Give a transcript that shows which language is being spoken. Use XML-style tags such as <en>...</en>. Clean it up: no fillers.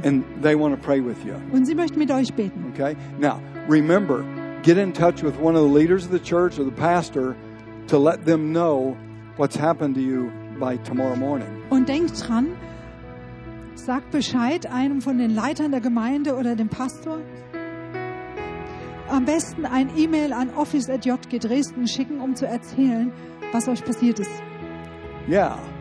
<en>And they want to pray with you.</en> <de>Und sie möchten mit euch beten.</de> <en>Okay. Now, remember, get in touch with one of the leaders of the church or the pastor to let them know what's happened to you by tomorrow morning.</en> <de>Und denkt dran, sagt Bescheid einem von den Leitern der Gemeinde oder dem Pastor. Am besten ein E-Mail an office@jg-dresden schicken, um zu erzählen, was euch passiert ist.</de> <en>Yeah.</en>